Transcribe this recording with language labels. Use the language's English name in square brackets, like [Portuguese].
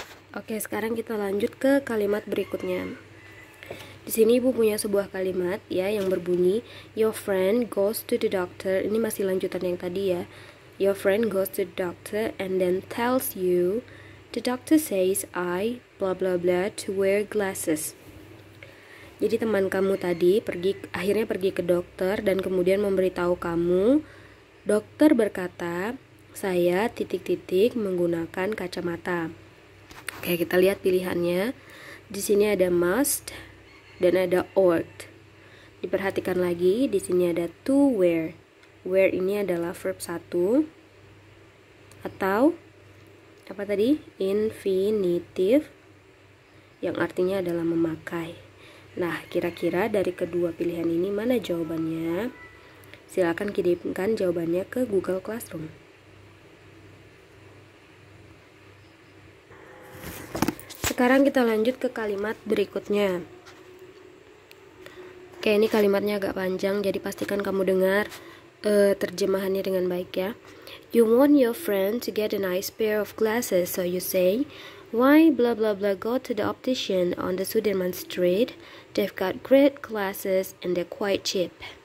[Indonesian] Oke, sekarang kita lanjut ke kalimat berikutnya. Di sini ibu punya sebuah kalimat ya yang berbunyi [English] your friend goes to the doctor. [Indonesian] Ini masih lanjutan yang tadi ya. [English] Your friend goes to the doctor and then tells you the doctor says I blah blah blah to wear glasses. [Indonesian] Jadi teman kamu tadi akhirnya pergi ke dokter dan kemudian memberitahu kamu dokter berkata saya titik-titik menggunakan kacamata. Oke, kita lihat pilihannya. Di sini ada must dan ada ought. Diperhatikan lagi, di sini ada to wear. Wear ini adalah verb 1 atau apa tadi? Infinitive yang artinya adalah memakai. Nah, kira-kira dari kedua pilihan ini mana jawabannya? Silakan kirimkan jawabannya ke Google Classroom. Sekarang kita lanjut ke kalimat berikutnya. Oke, ini kalimatnya agak panjang, jadi pastikan kamu dengar terjemahannya dengan baik ya. [English] You want your friend to get a nice pair of glasses, so you say, why blah blah blah go to the optician on the Sudirman Street? They've got great glasses and they're quite cheap.